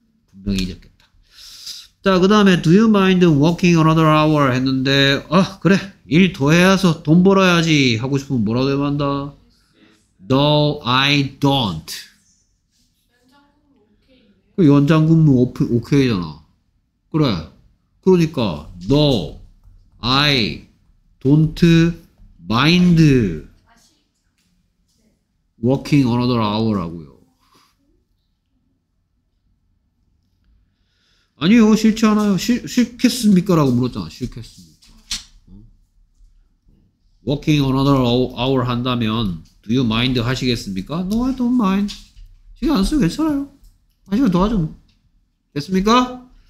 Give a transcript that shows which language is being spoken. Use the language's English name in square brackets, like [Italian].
[Korean] 분명히 잊었겠다. 자, 그 다음에 [English] Do you mind working another hour? [Korean] 했는데 아 그래 일 더 해야서 돈 벌어야지 하고 싶으면 뭐라고 해야 한다? [English] No, I don't. [Korean] 그 연장 근무 오케이잖아. 그래. 그러니까 [English] No, I don't mind working another hour라고요. [Korean] 아니요, 싫지 않아요. 싫겠습니까라고 물었잖아. 싫겠습니까? [English] Working another hour [Korean] 한다면 [English] Do you mind [Korean] 하시겠습니까? [English] No, I don't mind. [Korean] 시간 안 쓰고 괜찮아요. 한 시간 더 하죠. 됐습니까?